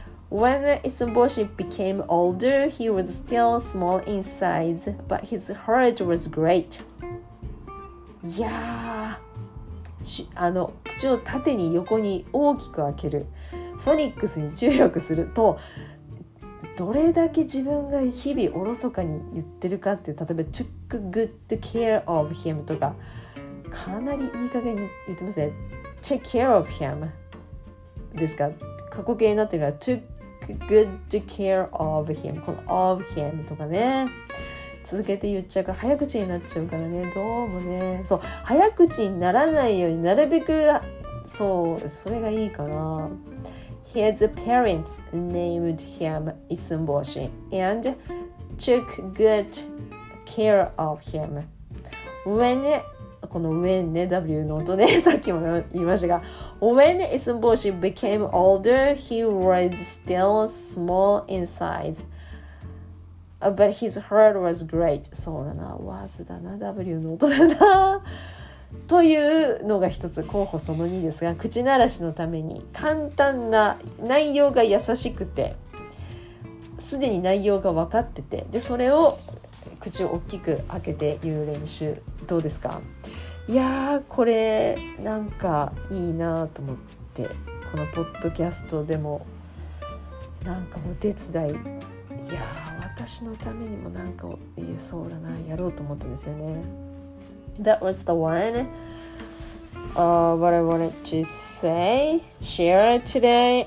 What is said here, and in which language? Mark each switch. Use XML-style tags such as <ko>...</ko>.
<en>When Isumboshi became older, he was still small in size, but his heart was great.</en> <ja>いやー、あの、口を縦に横に大きく開ける。フォニックスに注力すると、どれだけ自分が日々おろそかに言ってるかっていう、例えば</ja> <en>took good care of him</en> <ja>とか、かなりいい加減に言ってますね。</ja> <en>take care of him</en> <ja>ですか、過去形になってるから</ja> <en>took good care of him、</en> <ja>この of him とかね、続けて言っちゃうから早口になっちゃうからね、どうもね。そう、早口にならないようになるべく、そう、それがいいかな。</ja> <en>His parents named him Isumboshi and took good care of him. When,</en> <ja>この when ね、 W の音ね、さっきも言いましたが、</ja> <en>When Isumboshi became older, he was still small in size, but his heart was great.</en> <ja>そうだな、was だな、 W の音だな。というのが一つ候補その2ですが、口慣らしのために簡単な、内容が優しくて、すでに内容が分かってて、でそれを口を大きく開けて言う練習どうですか。いやー、これなんかいいなと思って、このポッドキャストでもなんかお手伝い、いやー、私のためにもなんか言えそうだな、やろうと思ったんですよね。</ja> <en>That was the one what I wanted to say, share today.</en>